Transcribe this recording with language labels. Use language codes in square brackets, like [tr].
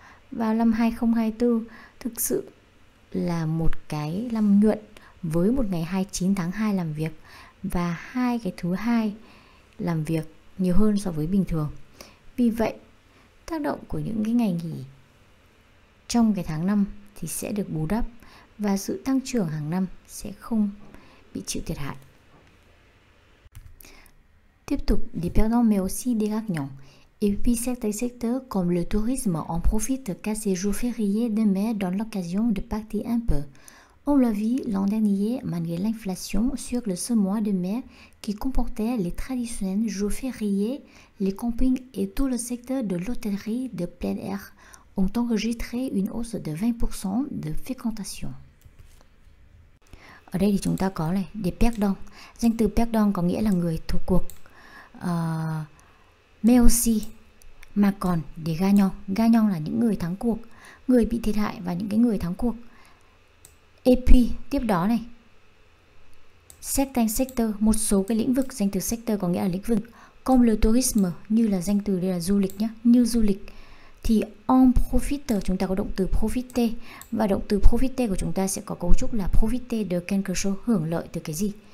[vi] Vào năm 2024 thực sự là một cái năm nhuận với một ngày 29 tháng 2 làm việc và hai cái thứ hai làm việc nhiều hơn so với bình thường. Vì vậy, tác động của những cái ngày nghỉ trong cái tháng 5 thì sẽ được bù đắp và sự tăng trưởng hàng năm sẽ không bị chịu thiệt hại. Tiếp tục, [fr] les perdants mais aussi des gagnants. Et puis certains secteurs comme le tourisme en profitent qu'à ces jours fériés de mai dans l'occasion de partir un peu. On l'a vu l'an dernier malgré l'inflation sur le ce mois de mai qui comportait les traditionnels jours fériés, les campings et tout le secteur de l'hôtellerie de plein air ont enregistré une hausse de 20% de fréquentation. [vi] Ở đây thì chúng ta có này, [fr] des perdants. [vi] Danh từ perdants có nghĩa là người thua cuộc. [fr] Mais aussi, [vi] mà còn [fr] des gagnants. [vi] Gagnants là những người thắng cuộc, người bị thiệt hại và những cái người thắng cuộc. [fr] Et puis, [vi] tiếp đó này, [fr] certains secteurs, [vi] một số cái lĩnh vực, danh từ secteur có nghĩa là lĩnh vực, [fr] comme le tourisme, [vi] như là danh từ đây là du lịch nhé, như du lịch, thì [fr] en profiter, [vi] chúng ta có động từ profiter, và động từ profiter của chúng ta sẽ có cấu trúc là [fr] profiter de quelque chose, [vi] hưởng lợi từ cái gì.